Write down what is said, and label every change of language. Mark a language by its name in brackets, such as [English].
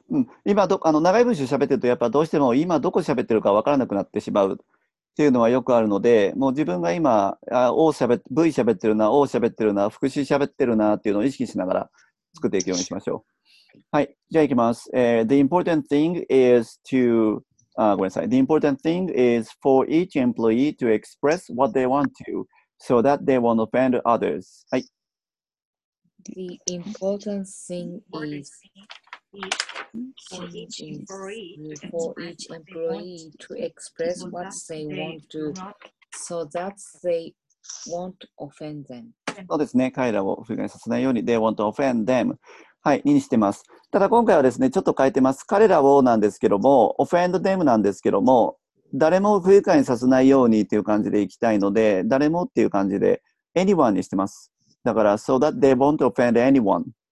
[Japanese] うん、今ど、長い文章喋ってると、やっぱどうしても今どこ喋ってるか分からなくなってしまう。っていうのはよくあるので、もう自分が今、V 喋ってるな、O 喋ってるな、副詞喋ってるなっていうのを意識しながら作っていくようにしましょう。はい、じゃあいきます。 [English] The important thing is to, [Japanese] ごめんなさい。 [English] The important thing is for each employee to express what they want to, so that they won't offend others. [Japanese] はい。 [English] The important thing is... For each employee to express what they want to, so that they won't offend them. [Japanese] そうですね。彼らを不快にさせないように、 [English] they won't offend them. [Japanese] はい、にしてます。ただ今回はですね、ちょっと変えてます。彼らをなんですけども、offend them なんですけども、誰も不快にさせないようにっていう感じでいきたいので、誰もっていう感じで anyone にしてます。だから、 [English] so that they won't offend anyone.